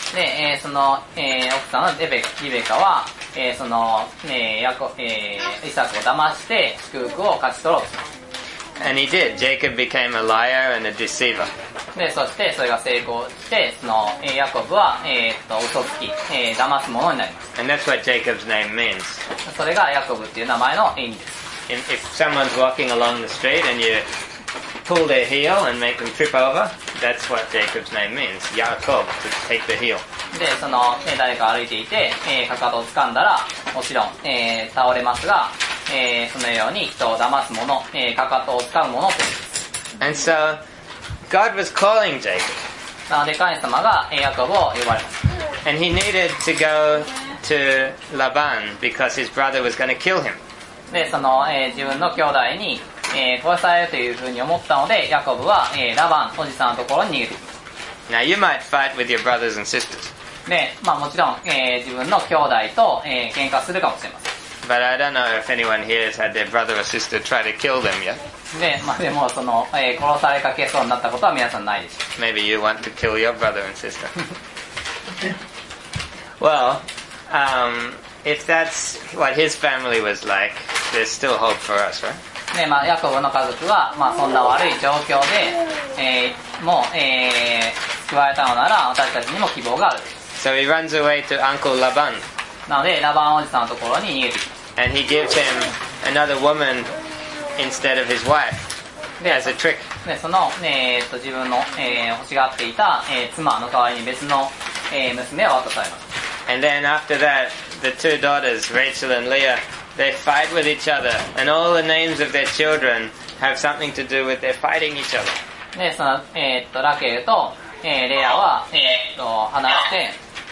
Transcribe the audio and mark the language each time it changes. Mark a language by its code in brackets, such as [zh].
[ja] で、その、奥さんのリベカは、その、イサクを騙して祝福を勝ち取ろうとします。 [en] And he did. Jacob became a liar and a deceiver. [ja] で、そしてそれが成功して、その、ヤコブは、嘘つき、騙すものになります。 [en] And that's what Jacob's name means. [ja] それがヤコブっていう名前の意味です。 [en] If someone's walking along the street and you pull their heel and make them trip over, that's what Jacob's name means. ヤコブ to take the heel. [ja] で、その、誰か歩いていて、かかとを掴んだら、もちろん、倒れますが、そのように人を騙すもの、かかとを掴むものという。 [en] And so, God was calling Jacob. [ja] なので神様がヤコブを呼ばれます。 [en] And he needed to go to Laban because his brother was going to kill him. [ja] で、その、自分の兄弟に、殺されるというふうに思ったので、ヤコブは、ラバン、おじさんのところに逃げていきます。 [en] Now you might fight with your brothers and sisters. [ja] で、まあもちろん、自分の兄弟と、喧嘩するかもしれません。 [en] But I don't know if anyone here has had their brother or sister try to kill them yet. [ja] で、まあでもその、殺されかけそうになったことは皆さんないでしょう。 [en] Maybe you want to kill your brother and sister. Well, if that's what his family was like, there's still hope for us, right? [ja] で、まあヤコブの家族は、まあそんな悪い状況で、もう、救われたのなら私たちにも希望がある。 [en] So he runs away to Uncle Laban. [ja] なのでラバンおじさんのところに逃げていきます。 [en] And he gives him another woman instead of his wife as a trick. [ja] で、その、自分の、欲しがっていた、妻の代わりに別の、娘を渡されます。 [en] And then after that, the two daughters, Rachel and Leah, they fight with each other, and all the names of their children have something to do with their fighting each other. [ja] で、その、ラケルと、レアは、話して。